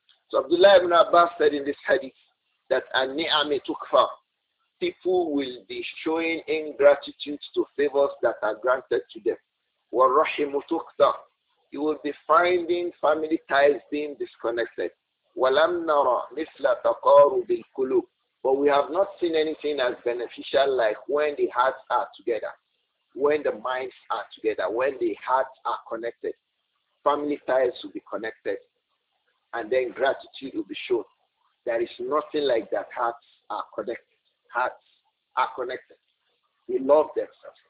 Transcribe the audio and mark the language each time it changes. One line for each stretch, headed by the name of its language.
English: So Abdullah ibn Abbas said in this hadith that
Arabic: an-ni'ami tukfa,
English: people will be showing ingratitude to favors that are granted to them.
Arabic: Wa-rahimu tukta,
English: you will be finding family ties being disconnected.
Arabic: ولم نرى مثل تقارب القلوب.
English: But we have not seen anything as beneficial like when the hearts are together, when the minds are together, when the hearts are connected. Family ties will be connected, and then gratitude will be shown. There is nothing like that. Hearts are connected. Hearts are connected. They love themselves.